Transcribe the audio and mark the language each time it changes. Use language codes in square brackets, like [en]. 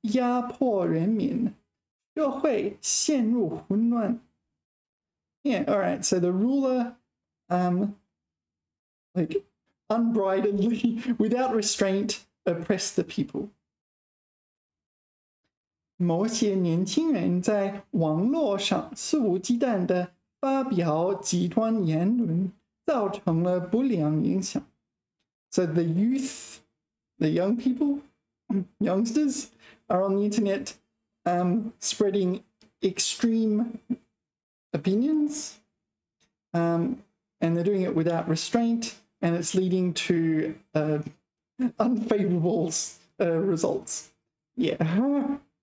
[zh] 受鸡蛋的压迫人民, 社会陷入混乱. [en] Yeah, all right, so the ruler, like, unbridledly, without restraint, oppressed the people. [zh] 某些年轻人在网络上肆无忌惮地发表极端言论, 造成了不良影响. [en] So the youth, the young people, youngsters, are on the internet spreading extreme opinions. And they're doing it without restraint, and it's leading to unfavorable results. Yeah.